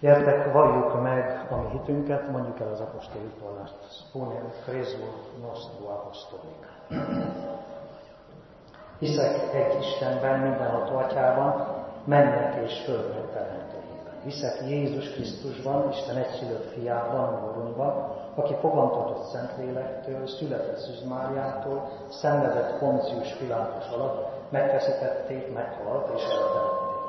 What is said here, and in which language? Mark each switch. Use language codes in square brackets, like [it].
[hu] Gyertek, valljuk meg a mi hitünket, mondjuk el az apostoli vallást. [ro] Spune crezul nostru apostolic. [hu] Hiszek egy Istenben, mindenható Atyában, mennek és földre teremtőjében. Hiszek Jézus Krisztusban, Isten egyszülött fiában, Úrunkban, aki fogantatott Szentlélektől, született Szűz Máriától, szenvedett Poncius Pilátus alatt, megfeszítették, meghalt és eltemették.